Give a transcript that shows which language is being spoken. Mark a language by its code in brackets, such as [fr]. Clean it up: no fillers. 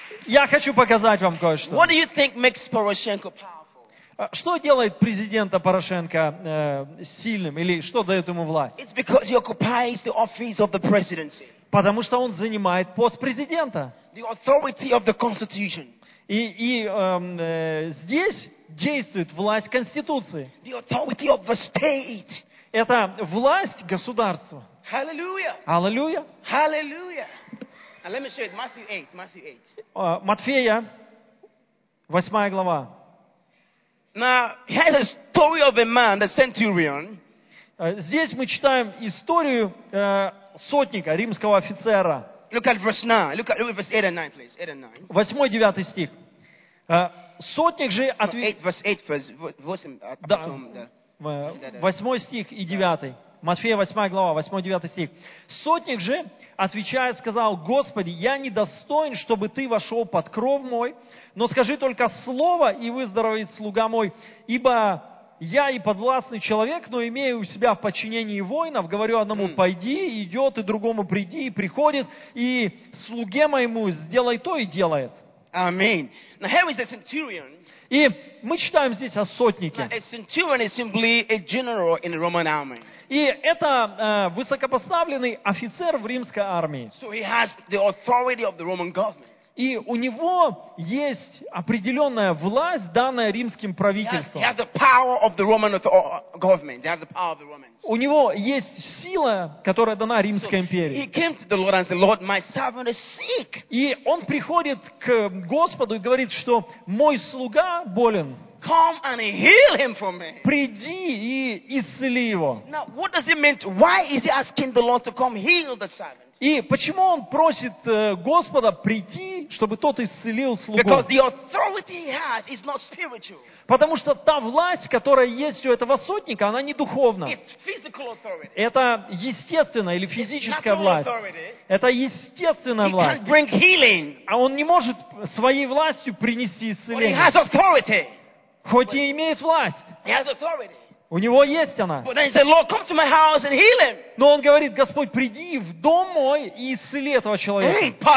[ru] Я хочу показать вам кое-что. [en] What do you think makes Poroshenko powerful? [ru] Что делает президента Порошенко сильным или что дает ему власть? [en] It's because he occupies the office of the presidency. [ru] Потому что он занимает пост президента. [en] The authority of the constitution. [ru] И здесь действует власть конституции. [en] The authority of the state. [ru] Это власть государства. [en] Hallelujah. Hallelujah. And let me show it. Matthew 8. [ru] Матфея, 8 глава. [en] Now, here's a story of a man, the centurion. [ru] Здесь мы читаем историю сотника, римского офицера. [en] Look at verse 9. Look at verse 8 and 9, please. 8 and 9. [ru] 8, 9 стих. Сотник же ответил... 8 стих и 9. Матфея 8 глава, 8-9 стих. Сотник же, отвечая, сказал, Господи, я не достоин, чтобы ты вошел под кров мой, но скажи только слово, и выздоровеет слуга мой, ибо я и подвластный человек, но имею у себя в подчинении воинов, говорю одному, пойди, идет, и другому приди, и приходит, и слуге моему сделай то и делает. [en] Amen. Now here is the centurion. [ru] И мы читаем здесь о сотнике. [en] A centurion is simply a general in the Roman army. [ru] И это высокопоставленный офицер в римской армии. [en] So he has the authority of the Roman government. [ru] И у него есть определенная власть, данная римским правительством. [en] He has the power of the Roman government. He has the power of the Romans. [ru] У него есть сила, которая дана Римской империи. [en] He came to the Lord and said, Lord, my servant is sick. [ru] И он приходит к Господу и говорит, что мой слуга болен. [en] Come and heal him for me. [ru] Приди и исцели его. [en] Now, what does it mean? Why is he asking the Lord to come heal the servant? [ru] И почему он просит Господа прийти, чтобы тот исцелил слугу? [en] Because the authority he has is not spiritual. [ru] Потому что та власть, которая есть у этого сотника, она не духовна. [en] It's physical authority. [ru] Это естественная или физическая власть. [en] It's natural authority. [ru] Это естественная власть. [en] He can't bring healing. [ru] А он не может своей властью принести исцеление. [en] But he has authority. [ru] Хоть и имеет власть. [en] He has authority. [ru] У него есть она. [en] But then he said, Lord, come to my house and heal him. [ru] Но он говорит, Господь, приди в дом мой и исцели этого человека.